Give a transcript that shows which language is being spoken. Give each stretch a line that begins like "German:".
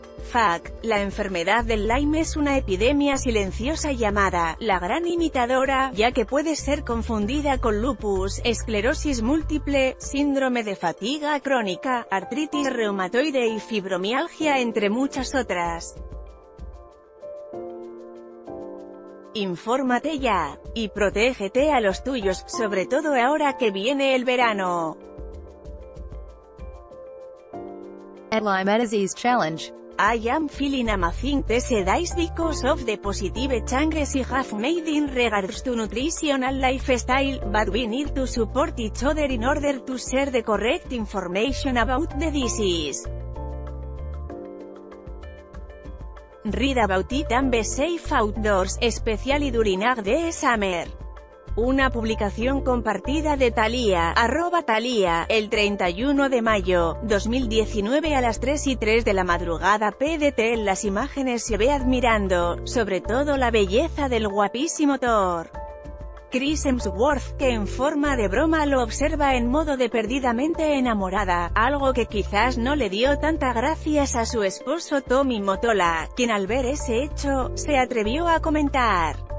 Spanish: Fact, la enfermedad del Lyme es una epidemia silenciosa llamada la gran imitadora, ya que puede ser confundida con lupus, esclerosis múltiple, síndrome de fatiga crónica, artritis reumatoide y fibromialgia, entre muchas otras. Infórmate ya, y protégete a los tuyos, sobre todo ahora que viene el verano.
English: Lyme Disease Challenge. I am feeling amazing these days because of the positive changes I have made in regards to nutritional lifestyle, but we need to support each other in order to share the correct information about the disease. Read about it and be safe outdoors, especially during the summer.
Spanish: Una publicación compartida de Thalía, arroba Thalía, el 31 de mayo, 2019 a las 3:03 de la madrugada PDT. En las imágenes se ve admirando, sobre todo la belleza del guapísimo Thor. Chris Hemsworth, que en forma de broma lo observa en modo de perdidamente enamorada, algo que quizás no le dio tanta gracia a su esposo Tommy Mottola, quien al ver ese hecho, se atrevió a comentar.